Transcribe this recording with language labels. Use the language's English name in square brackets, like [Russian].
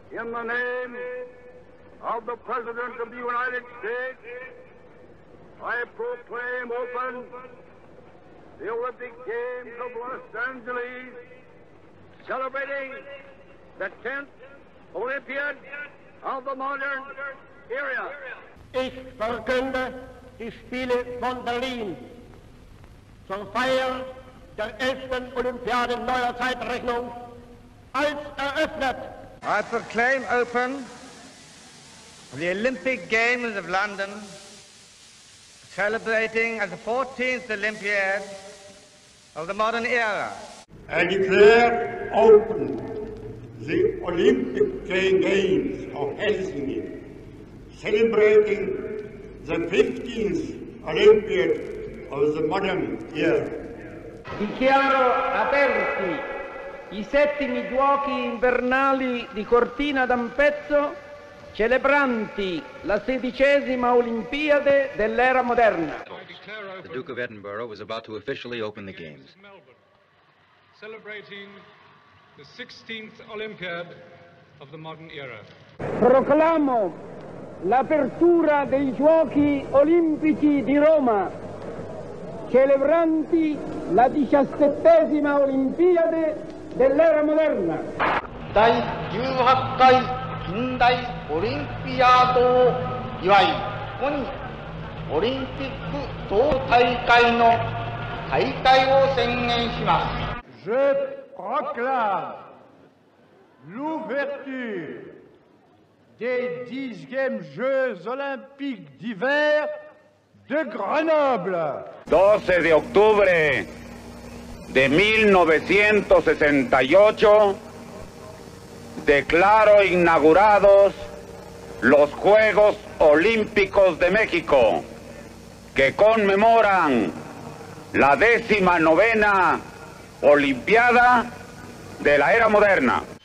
[English] In the name of the President of the United States, I proclaim open the Olympic Games of Los Angeles, celebrating the 10th Olympiad of the modern era. [German] Ich verkünde die Spiele von Berlin zum Feier der 11. Olympiade neuer Zeitrechnung als eröffnet. [English] I proclaim open the Olympic Games of London, celebrating as the 14th Olympiad of the modern era. I declare open the Olympic Games of Helsinki, celebrating the 15th Olympiad of the modern era. [Italian] Dichiaro aperti i settimi giochi invernali di Cortina d'Ampezzo, celebranti la sedicesima Olimpiade dell'era moderna. [English] The Duke of Edinburgh was about to officially open the games. Melbourne, celebrating the 16th Olympiad of the modern era. [Italian] Proclamo l'apertura dei giochi olimpici di Roma, celebranti la 17ª Olimpiade dell'era moderna. [Japanese] 第 18回 近代 Olympiado を祝い 本日オリンピック総大会の開会を宣言します。 [French] Je proclame l'ouverture des 10e Jeux Olympiques d'hiver de Grenoble. [Spanish] 12 de octubre de 1968, declaro inaugurados los Juegos Olímpicos de México, que conmemoran la 19ª Olimpiada de la Era Moderna.